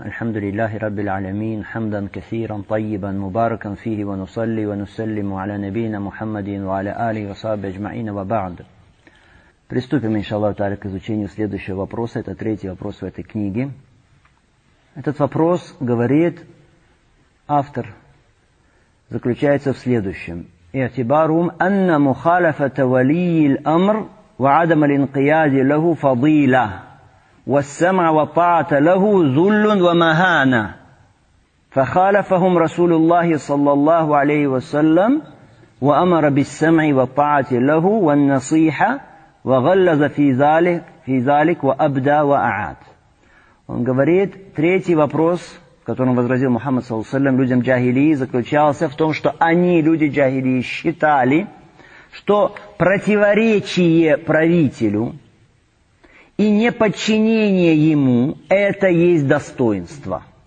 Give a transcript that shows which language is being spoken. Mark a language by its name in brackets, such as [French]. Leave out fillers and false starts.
[Arabic] الحمد لله رب العالمين، حمدا كثيرا طيبا مباركا فيه، ونصلي ونسلم على نبينا محمد وعلى آله وصحبه أجمعين، وبعد. [Russian] Приступим, иншаллах таля, к изучению следующего вопроса. Это третий вопрос в этой книге. Этот вопрос, говорит автор, заключается в следующем. [Arabic] اعتبارهم أن مخالفة ولي الأمر وعدم الانقياد له فضيلة والسمع وطاعة له ذل ومهانة فخالفهم رسول الله صلى الله عليه وسلم وأمر بالسمع وطاعة له والنصيحة وغلظ في ذلك وأبدى وأعاد. [Russian] Он говорит, третий вопрос, которым возразил Мухаммад صلى الله عليه وسلم людям джахилии, заключался в том, что они, люди джахилии, считали, что противоречие правителю и неподчинение ему – это есть достоинство.